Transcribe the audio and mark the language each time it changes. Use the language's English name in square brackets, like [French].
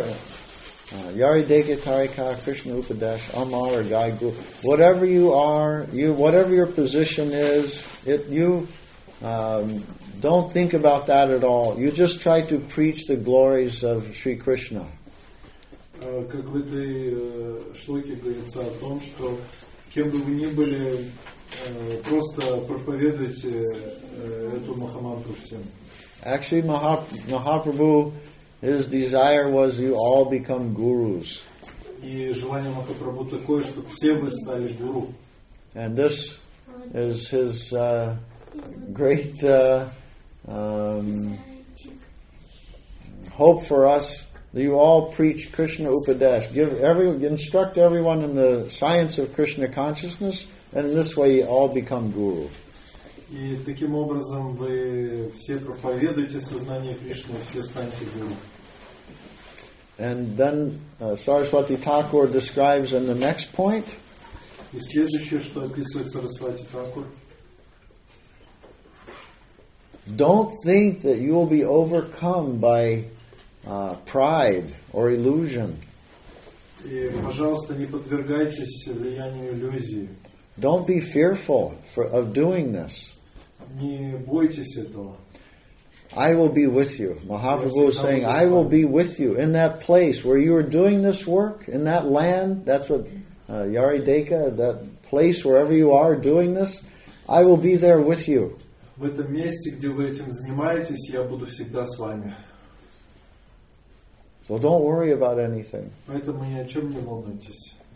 [Bangla] Yari Deka Tarika Krishna Upadesh Amar or Gai Guru, [English] whatever you are, you whatever your position is, don't think about that at all. You just try to preach the glories of Sri Krishna. [Russian] Как в этой штуке говорится о том, что кем бы вы ни были, просто проповедуйте эту Махамантру всем. [English] Actually, Mahaprabhu, his desire was you all become gurus. [Russian] И желание Махапрабху такое, чтобы все вы стали гуру. [English] And this is his great hope for us. That you all preach Krishna Upadesh. Instruct everyone in the science of Krishna consciousness And in this way you all become guru. [Russian] И таким образом вы все проповедуете сознание Кришны, все станете гуру. [English] And then Saraswati Thakur describes in the next point. [Russian] И следующее, что описывает Сарасвати Такур. [English] Don't think that you will be overcome by pride or illusion. [Russian] И, пожалуйста, не подвергайтесь влиянию иллюзии. [English] Don't be fearful of doing this. [Russian] Не бойтесь этого. [English] I will be with you. Mahaprabhu is saying, I will be with you in that place where you are doing this work, in that land, that's what Yarideka, that place wherever you are doing this, I will be there with you. [Russian] В этом месте, где вы этим занимаетесь, я буду всегда с вами. [English] So don't worry about anything. [Russian] Поэтому ни о чем не волнуйтесь.